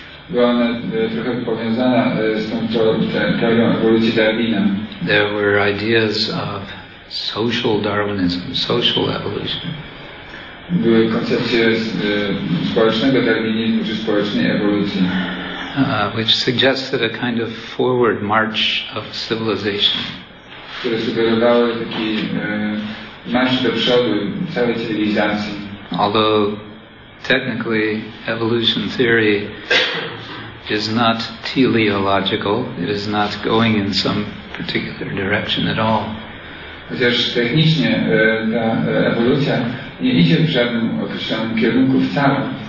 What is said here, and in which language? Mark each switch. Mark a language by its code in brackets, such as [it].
[pl] Była ona trochę powiązana z tą teorią ewolucji Darwina. [en] There were ideas of social Darwinism, social evolution. [pl] Były koncepcje społecznego darwinizmu, czy społecznej ewolucji. [en] Which suggested a kind of forward march of civilization. [pl] Które sugerowały taki marsz do przodu całej cywilizacji. [en] Although technically evolution theory is not teleological, it is not going in some particular direction at all. [pl] Chociaż technicznie ta ewolucja nie idzie w żadnym określonym kierunku wcale.